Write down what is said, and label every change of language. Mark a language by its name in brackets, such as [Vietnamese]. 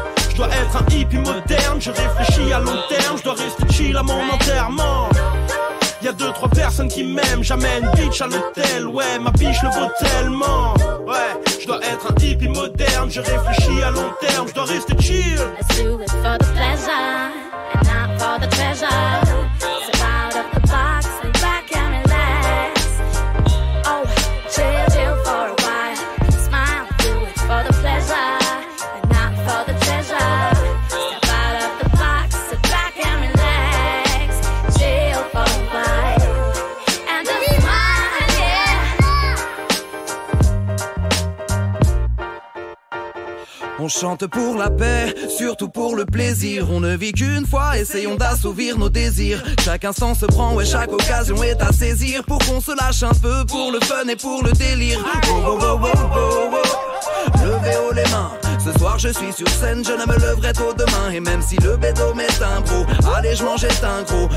[French] Je dois être un hippie moderne, je réfléchis à long terme. Je dois rester chill à mon enterrement. Y'a deux, trois personnes qui m'aiment. J'amène bitch à l'hôtel, ouais, ma biche le vaut tellement. Ouais, je dois être un hippie moderne, je réfléchis à long terme. Je dois rester chill. [English] Let's do it for the pleasure and not for the treasure. Step out of the box, lay back and relax. Oh, chill, chill for a while. Smile, do it for the pleasure and not for the treasure. Step out of the box, sit back and relax. Chill for a while and a smile, yeah. [French] On chante pour la paix, surtout pour le plaisir. On ne vit qu'une fois, essayons d'assouvir nos désirs. Chaque instant se prend, ouais, chaque occasion est à saisir. Pour qu'on se lâche un peu, pour le fun et pour le délire. Oh, oh, oh, oh, oh, oh. Levez haut les mains. Ce soir je suis sur scène, je ne me leverai tôt demain. Et même si le bédo m'est un gros, allez je mange est un gros.